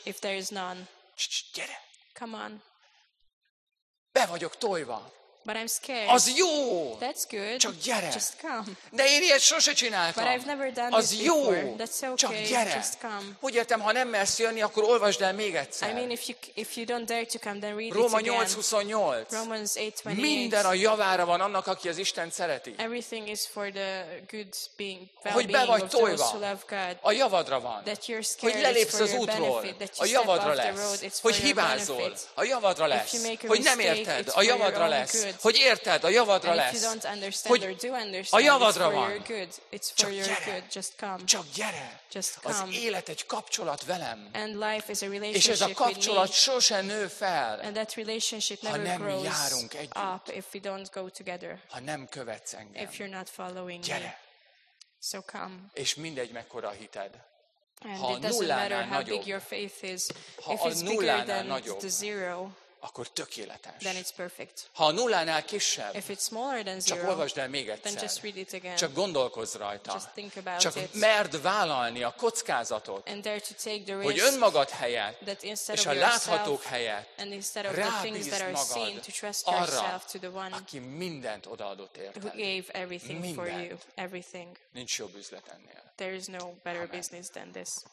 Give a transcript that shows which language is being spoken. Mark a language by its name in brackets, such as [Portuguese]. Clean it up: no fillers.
[English] If there is none. [Hungarian] Gyere. [English] Come on. [Hungarian] Be vagyok tojva. [English] But I'm scared. [Hungarian] Az jó. [English] That's good. [Hungarian] Csak gyere. [English] Just come. [Hungarian] De én ilyet sose csináltam. [English] But I've never done [Hungarian] az [English] this [Hungarian] jó. [English] Before. That's okay. [Hungarian] Csak gyere. [English] Just come. [Hungarian] Úgy értem, ha nem mersz jönni, akkor olvasd el még egyszer. [English] I mean, if you don't dare to come, then read it [Hungarian] Róma 8:28. [English] Romans 8:28. [Hungarian] Minden a javára van annak, aki az Isten szereti. [English] Everything is for the good being, well-being. [Hungarian] Hogy be vagy tojva. [English] Those who love God. [Hungarian] A javadra van. [English] That you're scared. [Hungarian] Hogy lelépsz az útról. A javadra lesz. Hogy hibázol. A javadra lesz. Hogy nem érted. A javadra lesz. Hogy érted, a javadra lesz. Hogy a javadra van. Csak gyere. [English] Just come. [Hungarian] Csak gyere. [English] Just come. [Hungarian] Az élet egy kapcsolat velem. [English] And life is a relationship [Hungarian] és ez a kapcsolat sosem nő fel. [English] And that relationship never [Hungarian] ha nem [English] grows [Hungarian] járunk együtt. [English] Up if we don't go together. [Hungarian] Ha nem követsz engem. [English] If you're not following [Hungarian] gyere. [English] Me. So come. [Hungarian] És mindegy, mekkora a hited. [English] And ha it doesn't matter how big your faith is. [Hungarian] Ha [English] if it's bigger than the zero. [Hungarian] Akkor tökéletes. [English] Then it's perfect. [Hungarian] Ha a nullánál kisebb, [English] if it's smaller than zero, [Hungarian] csak olvasd el még egyszer. [English] Then just read it again. [Hungarian] Csak gondolkozz rajta. [English] Just think about [Hungarian] csak [English] it. [Hungarian] Merd vállalni a kockázatot, [English] and dare to take the risk, [Hungarian] hogy önmagad helyett, [English] that instead [Hungarian] és a láthatók helyett, [English] and instead of the things that are seen, to trust yourself to the one, [Hungarian] aki mindent odaadott érted. [English] Who gave everything [Hungarian] mindent. [English] For you, everything. [Hungarian] Nincs jobb üzlet ennél. [English] There is no better amen. Business than this.